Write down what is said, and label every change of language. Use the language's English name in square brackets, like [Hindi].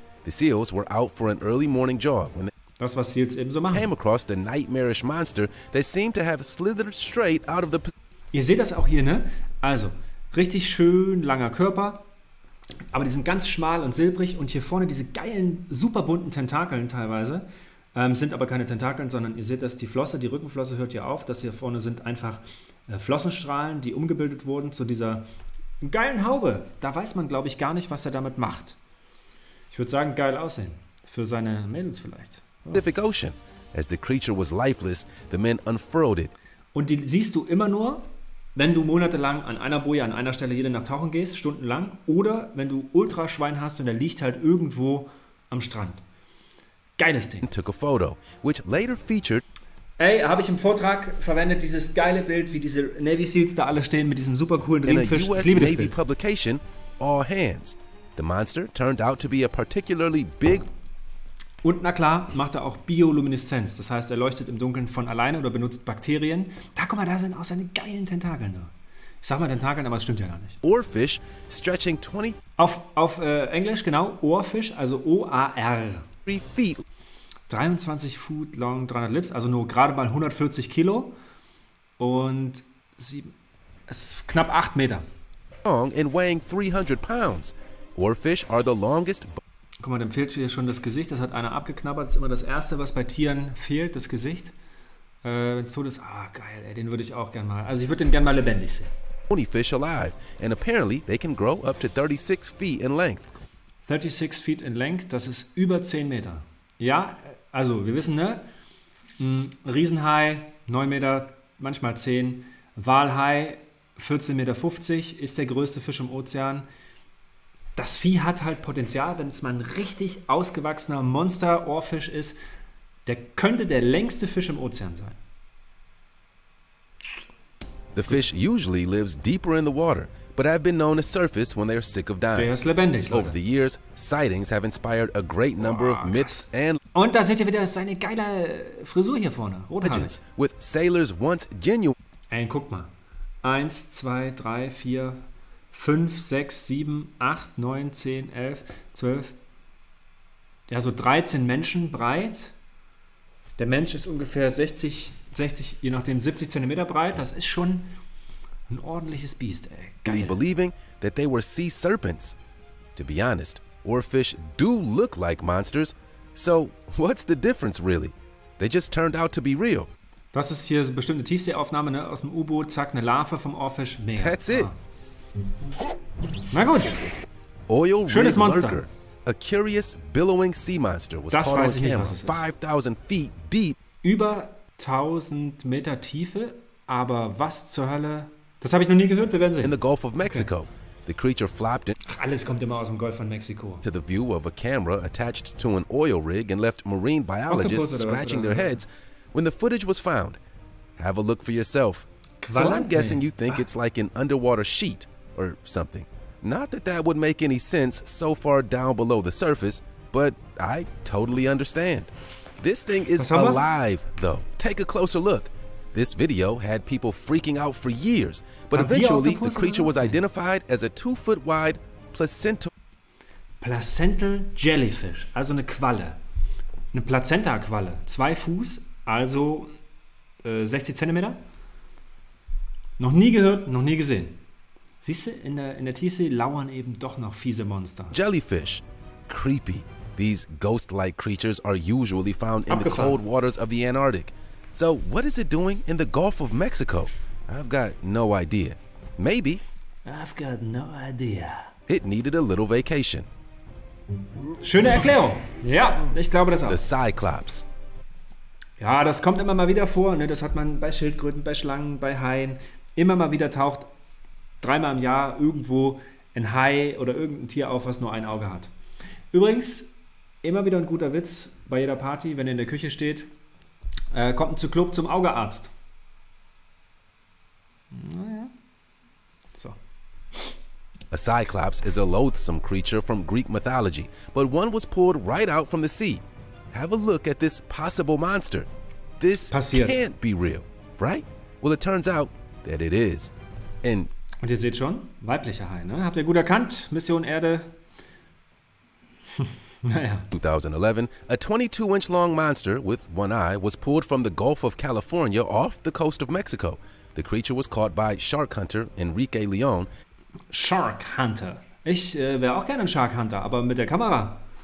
[English] The SEALs were out for an early morning jog when they [German] das, was SEALs eben so machen. [English] Came across the nightmarish monster that seemed to have slithered straight out of the [German] Ihr seht das auch hier, ne? Also, richtig schön langer Körper, aber die sind ganz schmal und silbrig und hier vorne diese geilen, super bunten Tentakeln teilweise. Sind aber keine Tentakeln, sondern ihr seht, dass die Flosse, die Rückenflosse hört hier auf. Das hier vorne sind einfach Flossenstrahlen, die umgebildet wurden zu dieser geilen Haube. Da weiß man, glaube ich, gar nicht, was er damit macht. Ich würde sagen, geil aussehen. Für seine Mädels vielleicht. [English] Pacific Ocean. As the creature was lifeless, the men unfurled it. [German] Und die siehst du immer nur, wenn du monatelang an einer Boje, an einer Stelle jede Nacht tauchen gehst, stundenlang. Oder wenn du Ultraschwein hast und der liegt halt irgendwo am Strand. Geiles Ding. [English] Took a photo, which later featured [German] ey, habe ich im Vortrag verwendet, dieses geile Bild, wie diese Navy SEALs da alle stehen mit diesem super coolen Riemenfisch. [English] In a US [German] liebe [English] Navy [German] Bild. [English] Publication, All Hands. The monster turned out to be a particularly big [German] und na klar, macht er auch Biolumineszenz. Das heißt, er leuchtet im Dunkeln von alleine oder benutzt Bakterien. Da, guck mal, da sind auch seine geilen Tentakeln da. Ich sag mal Tentakeln, aber es stimmt ja gar nicht. [English] Oarfish stretching 20 [German] auf Englisch, genau, Oarfish, also O-A-R. [English] 23 Foot long, 300 Lips, [German] also nur gerade mal 140 Kilo und es ist knapp 8 Meter. [English] Long and weighing 300 pounds. Oarfish are the longest. [German] Guck mal, dem fehlt hier schon das Gesicht, das hat einer abgeknabbert. Das ist immer das Erste, was bei Tieren fehlt, das Gesicht. Wenn es tot ist, ah geil, ey, den würde ich auch gerne mal, also ich würde den gerne mal lebendig sehen. [English] 20 fish alive, and apparently they can grow up to 36 feet in length. 36 feet in length, [German] das ist über 10 Meter. Ja, also wir wissen, ne? Riesenhai, 9 Meter, manchmal 10. Walhai, 14,50 Meter, ist der größte Fisch im Ozean. Das Vieh hat halt Potenzial, wenn es mal ein richtig ausgewachsener Monster-Ohrfisch ist. Der könnte der längste Fisch im Ozean sein. [English] The fish usually lives deeper in the water, but have been known to surface when they are sick of dying. [German] Der ist lebendig, Leute. [English] Over the years, sightings have inspired a great number of myths and... [German] Und da seht ihr wieder seine geile Frisur hier vorne, rote Haare. [English] ...with sailors once genuine... [German] Ey, guck mal. 1, 2, 3, 4, 5, 6, 7, 8, 9, 10, 11, 12. Ja, so 13 Menschen breit. Der Mensch ist ungefähr 70 Zentimeter breit. Das ist schon ein ordentliches Biest, ey. Geil. [English] Believing that they were sea serpents. To be honest, oarfish do look like monsters. So, what's the difference really? They just turned out to be real. [German] Das ist hier so eine bestimmte Tiefseeaufnahme, ne? Aus dem U-Boot, zack, eine Larve vom Ohrfisch, mehr. [English] That's it. [German] Na gut. [English] Oil [German] Schönes Monster. [English] Lurker, a curious billowing sea monster was [German] das [English] caught [German] weiß [English] on [German] ich [English] camera, [German] nicht, was es ist. [English] 5000 feet deep. [German] Über 1000 Meter Tiefe, aber was zur Hölle? Das habe ich noch nie gehört, wir werden sehen. [English] In the Gulf of Mexico. Okay. The creature flopped in. [German] Ach, alles kommt immer aus dem Golf von Mexiko. [English] To the view of a camera attached to an oil rig and left marine biologists Octopus, scratching [German] was, oder? [English] Their heads. When the footage was found, have a look for yourself. [German] Quarantäne. [English] So I'm guessing you think it's like an underwater sheet or something. Not that that would make any sense so far down below the surface, but I totally understand. This thing is alive, though. Take a closer look. This video had people freaking out for years, but eventually the creature was identified as a 2-foot-wide placental [German] jellyfish, also eine Qualle. Eine Plazenta-Qualle, 2 Fuß. Also 60 Zentimeter. Noch nie gehört, noch nie gesehen. Siehst du, in der Tiefsee lauern eben doch noch fiese Monster. [English] Jellyfish. Creepy. These ghost-like creatures are usually found in [German] Abgefahren. [English] The cold waters of the Antarctic. So what is it doing in the Gulf of Mexico? I've got no idea. Maybe. I've got no idea. It needed a little vacation. [German] Schöne Erklärung. Ja, ich glaube das auch. [English] The Cyclops. [German] Ja, das kommt immer mal wieder vor. Ne? Das hat man bei Schildkröten, bei Schlangen, bei Haien. Immer mal wieder taucht dreimal im Jahr irgendwo ein Hai oder irgendein Tier auf, was nur ein Auge hat. Übrigens, immer wieder ein guter Witz bei jeder Party, wenn ihr in der Küche steht, kommt ein Zyklop zum Augearzt. Naja. So. [English] A Cyclops is a loathsome creature from Greek mythology, but one was pulled right out from the sea. Have a look at this possible monster. This [German] passiert. [English] Can't be real, right? Well, it turns out that it is. And [German] und ihr seht schon, weiblicher Hai, ne? Habt ihr gut erkannt? Mission Erde. Naja. [English] 2011, a 22-inch long monster with one eye was pulled from the Gulf of California off the coast of Mexico. The creature was caught by shark hunter Enrique Leon. Shark Hunter. [German] Ich wäre auch gerne ein Shark Hunter, aber mit der Kamera.